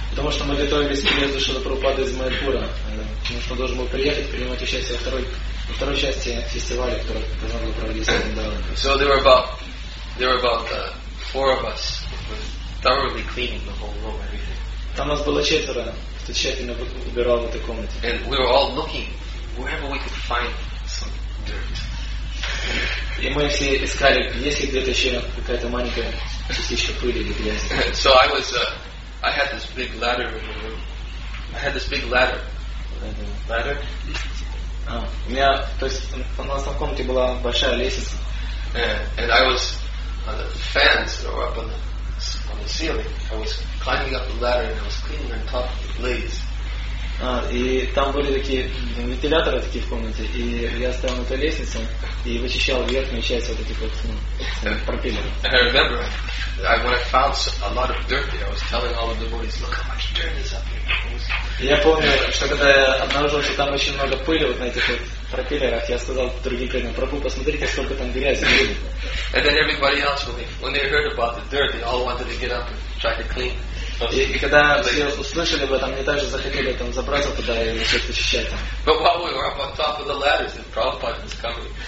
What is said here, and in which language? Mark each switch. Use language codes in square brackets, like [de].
[ru] Потому что мы готовились к приезду Шилы Прабхупады из Майяпура, потому что он должен был приехать принимать участие во второй части фестиваля, который должен был проводиться в Вриндаване. [en] So there were about four of us who were thoroughly cleaning the whole room. [ru] Там нас было четверо, кто тщательно убирал в этой комнате. [en] And we were all looking wherever we could find some dirt. [ru] И мы все искали, есть ли где-то еще какая-то маленькая частичка пыли или грязи. [en] So I had this big ladder in the room. I had this big ladder. Ladder? [ru] У меня, то есть у нас там в комнате была большая лестница. [en] And I was on the fans that were up on the ceiling. I was climbing up the ladder and I was cleaning on top of the blades. [ru] И там были такие вентиляторы такие в комнате, и я стоял на этой лестнице и вычищал верхнюю часть вот этих вот пропеллеров. [en] I remember when I found a lot of dirt there, I was telling all of the boys, look how much dirt is up here. [ru] Я помню, что когда я обнаружил, что там очень много пыли вот на этих вот пропеллерах, я сказал другим преданным, Прабху, посмотрите, сколько там грязи было. [en] And then everybody else, when they heard about the dirt, they all wanted to get up and try to clean. [ru] И когда все услышали об этом, они также захотели там забраться туда и начать почищать там. [en] But while we were up on top of the ladders, Prabhupada was coming.